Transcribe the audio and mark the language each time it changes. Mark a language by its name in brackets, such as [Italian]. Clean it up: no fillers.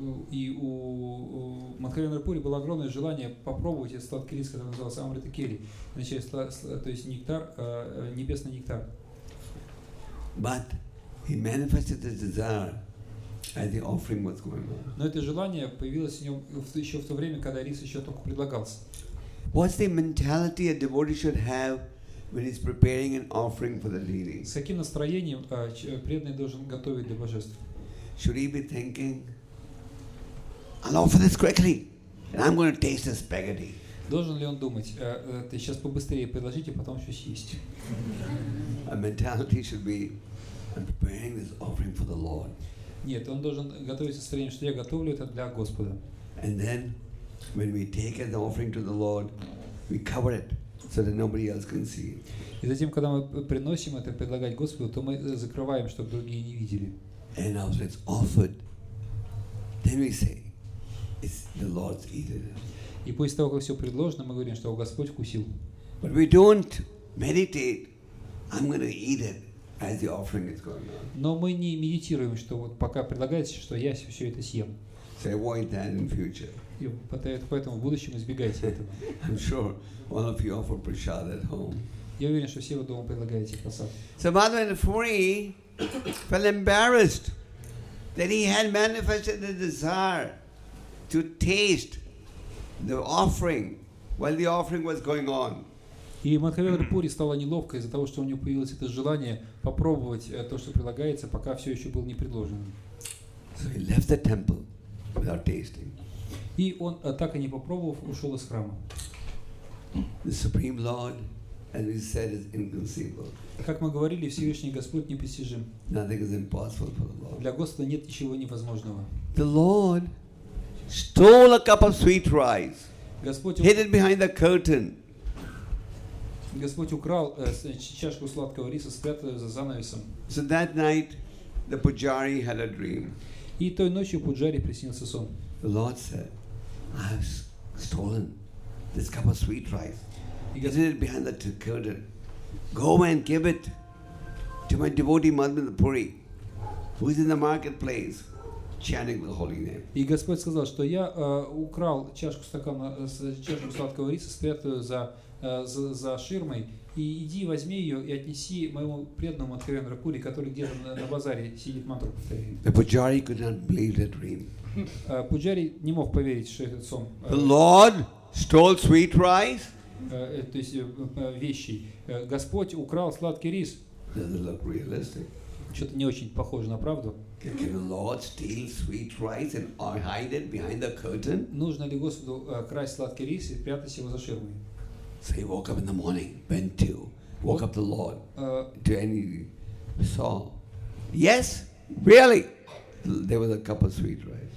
[Russian] И у Мадхавендрапури было огромное желание попробовать этот сладкий рис, который назывался Амритакели. То есть нектар, небесный нектар. [English] But he manifested the desire. As the offering was going on. [Russian] Но это желание появилось в нем еще в то время, когда рис еще только предлагался. [English] What's the mentality a devotee should have when he's preparing an offering for the deity? [Russian] С каким настроением преданный должен готовить для божества? [English] Should he be thinking, I'll offer this quickly, and I'm going to taste this spaghetti? [Russian] Должен ли он думать, ты сейчас побыстрее предложите, потом еще съесть? [English] A mentality should be, I'm preparing this offering for the Lord. [Russian] Нет, он должен готовиться с тем, что я готовлю это для Господа. [English] And then, when we take the offering to the Lord, we cover it so that nobody else can see. [Russian] И затем, когда мы приносим это предлагать Господу, то мы закрываем, чтобы другие не видели. [English] And after it's offered, then we say, it's the Lord's eating. [Russian] И после того, как все предложено, мы говорим, что Господь вкусил. [English] But we don't meditate. I'm going to eat it. As the offering is going on. [Russian] Но мы не медитируем, что вот пока предлагается, что я все это съем. [English] So avoid that in future. [Russian] И поэтому в будущем избегайте этого. [English] I'm sure all of you offer prasad at home. [Russian] Я уверен, что все вы дома предлагаете прасад. [English] So Madhavendrapuri felt embarrassed that he had manifested the desire to taste the offering while the offering was going on. [Russian] И Мадхавендрапури стало неловко из-за того, что у него появилось это желание попробовать то, что предлагается, пока все еще было не предложено. [English] So he left the temple without tasting. [Russian] И он, так и не попробовав, ушел из храма. [English] The Supreme Lord, as we said, is inconceivable. [Russian] Как мы говорили, Всевышний Господь непостижим. [English] Nothing is impossible for the Lord. [Russian] Для Господа нет ничего невозможного. [English] The Lord stole a cup of sweet rice, hid it behind the curtain. [Russian] Господь украл чашку сладкого риса, спрятал ее за занавесом. [English] So that night, the pujari had a dream. [Russian] И той ночью пуджари приснился сон. [English] The Lord said, I have stolen this cup of sweet rice. Hidden it behind the curtain. Go and give it to my devotee Madhavendrapuri, who is in the marketplace. Chanting the holy name. [Russian] И Господь сказал, что я украл чашку стакана чашку сладкого риса, спрятал ее за ширмой, и иди возьми ее и отнеси моему преданному Мадхавендрапури, который где-то на базаре сидит мантру повторяет. [English] The pujari could not believe the dream. [Russian] Пуджари не мог поверить, что это сон. [English] The Lord stole sweet rice. [Russian] То есть вещи. Господь украл сладкий рис. [English] Doesn't look realistic. [Russian] Что-то не очень похоже на правду. [English] Can the Lord steal sweet rice and hide it behind the curtain? [Russian] Нужно ли Господу красть сладкий рис и прятать его за ширмой? [English] So he woke up in the morning, went to, woke up the Lord, to any saw. Yes, really, there was a cup of sweet rice.